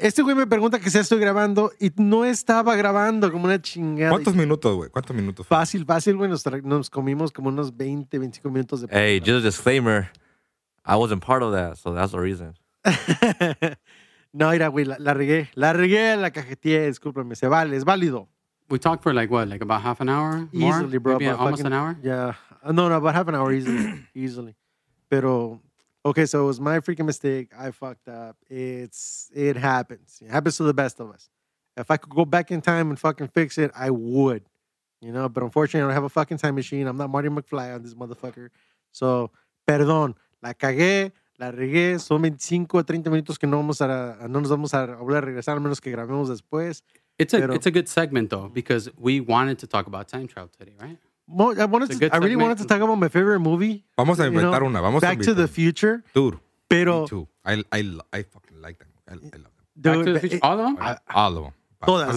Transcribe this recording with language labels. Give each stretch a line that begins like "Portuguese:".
Spanish: Este güey me pregunta que si estoy grabando y no estaba grabando, como una chingada. ¿Cuántos minutos, güey? ¿Cuántos minutos? Fácil, fácil, güey. Nos comimos como unos 20, 25 minutos de...
English: Hey, just a disclaimer, I wasn't part of that, so that's the reason.
Spanish: No, mira, güey, la regué, la cajeteé, discúlpame, se vale, es válido.
English: We talked for like what, like about half an hour? Easily, more? Bro. Maybe almost an hour? Yeah. No, about half an hour easily. Pero, okay, so it was my freaking mistake. I fucked up. It happens. It happens to the best of us. If I could go back in time and fucking fix it, I would. You know, but unfortunately, I don't have a fucking time machine. I'm not Marty McFly on this motherfucker.
Spanish: So, perdón. La cagué. La regué. Son 25 o 30 minutos que no nos vamos a volver a regresar, al menos que grabemos después.
English: It's a good segment, though, because we wanted to talk about time travel today, right? I really wanted to talk about my favorite movie.
Spanish: Vamos a inventar una. Vamos
English: Back a to the Future. Dude.
Spanish: Pero,
English: me too. I fucking like them. I love them. Dude, Back to the Future. All of them? All of them.
Spanish: Todas.